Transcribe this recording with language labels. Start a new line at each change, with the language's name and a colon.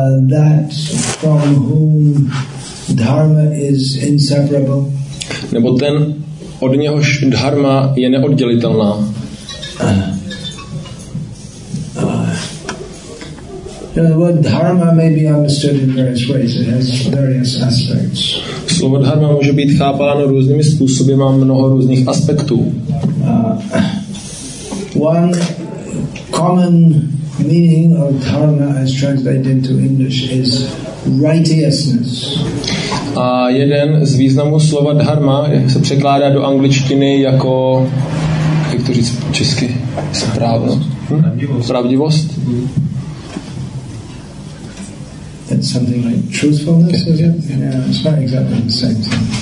English: That from whom dharma is inseparable.
Czech: Nebo ten, od něhož dharma je neoddělitelná.
English: The word dharma may be understood in various ways. It has various aspects.
Czech: Slovo dharma může být chápáno různými způsoby, má mnoho různých aspektů.
English: One common meaning of dharma as translated into English is righteousness.
Czech: A jeden z významů slova dharma se překládá do angličtiny jako, jak to říct česky, správnost. Pravdivost.
English: It's something like truthfulness, is it? Yeah, it's not exactly the same thing.